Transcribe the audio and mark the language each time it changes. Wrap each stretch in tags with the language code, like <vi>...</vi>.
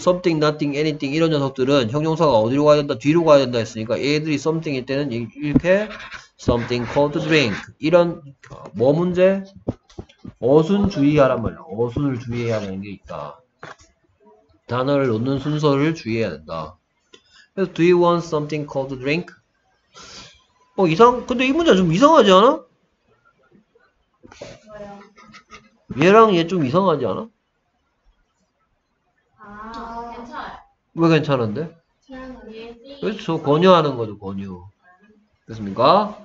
<en>something, nothing, anything</en> <ko>이런 녀석들은 형용사가 어디로 가야 된다, 뒤로 가야 된다 했으니까 얘들이 something일 때는 이렇게</ko> <en>something cold to drink</en> <ko>이런 뭐 문제? 어순 주의하란 말이야. 어순을 주의해야 되는 게 있다. 단어를 놓는 순서를 주의해야 된다. 그래서</ko> <en>Do you want something cold to drink?</en> <ko>어, 이상. 근데 이 문제 좀 이상하지 않아? 왜요? 얘랑 얘 좀 이상하지 않아? 아, 괜찮아. 왜 괜찮은데? 그렇죠. 권유하는 거죠. 권유. 됐습니까?</ko>